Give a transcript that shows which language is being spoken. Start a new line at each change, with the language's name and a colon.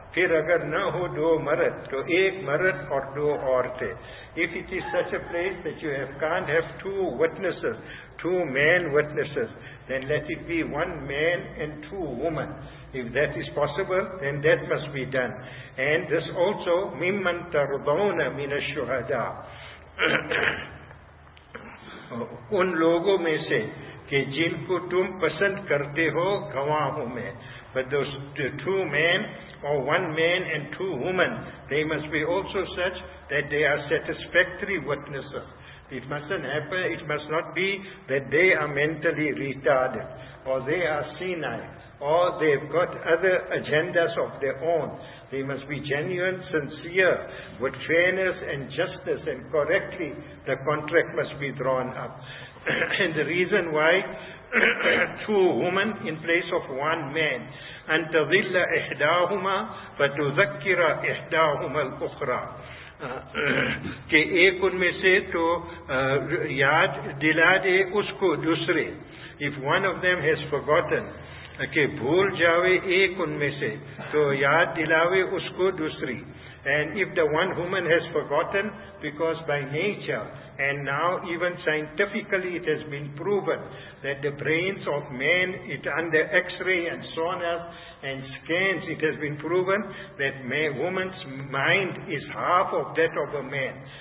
Urdu: پھر اگر نہ ہو دو مرد تو ایک مرد اور دو عورتیں.
English: If it is such a place that you can't have two witnesses, two man witnesses, then let it be one man and two women. If that is possible, then that must be done. And this also,
Arabic: مِمَّن تَرْضَوْنَ مِنَ الشُّهَدَىٰ,
Urdu: ان لوگوں میں سے کہ جن کو تم پسند کرتے ہو گواہوں میں.
English: But those two men, or one man and two women, they must be also such that they are satisfactory witnesses. It mustn't happen, it must not be that they are mentally retarded, or they are senile, or they've got other agendas of their own. They must be genuine, sincere, with fairness and justice, and correctly the contract must be drawn up. And the reason why two women in place of one man,
Arabic: أن تضل إحداهما فتذكر إحداهما الأخرى,
Urdu: کہ ایک ان میں سے تو یاد دلا دے اس کو دوسرے.
English: If one of them has forgotten,
Urdu: کہ بھول جاوے ایک ان میں سے تو یاد دلاوے اس کو دوسری.
English: And if the one woman has forgotten, because by nature, and now even scientifically it has been proven that the brains of men, it under x-ray and sonar and scans, it has been proven that woman's mind is half of that of a man.